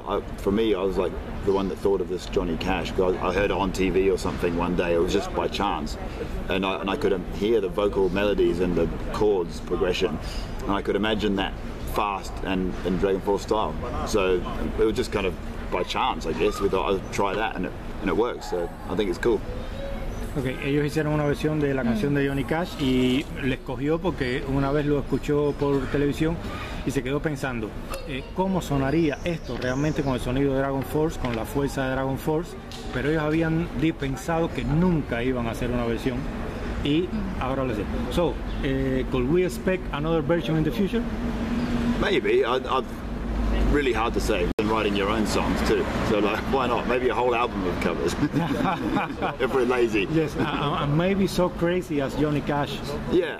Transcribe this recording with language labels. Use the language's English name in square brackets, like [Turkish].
[English] I was like the one that thought of this Johnny Cash, because I heard it on TV or something one day. It was just by chance, and I could hear the vocal melodies and the chords progression, and I could imagine that fast and in Dragonforce style. So it was just kind of by chance, I guess. We thought I'd try that, and it and it works, so I think it's cool. [Spanish] Okay, ellos hicieron una versión de la canción de Johnny Cash y le escogió porque una vez lo escuchó por televisión y se quedó pensando, ¿cómo sonaría esto realmente con el sonido de Dragon Force, con la fuerza de Dragon Force? Pero ellos habían pensado que nunca iban a hacer una versión y ahora lo sé. [English] So, could we expect another version in the future? Maybe. Really hard to say. And writing your own songs too. So like, why not? Maybe a whole album of covers. If we're lazy. Yes, and maybe so crazy as Johnny Cash. Yeah,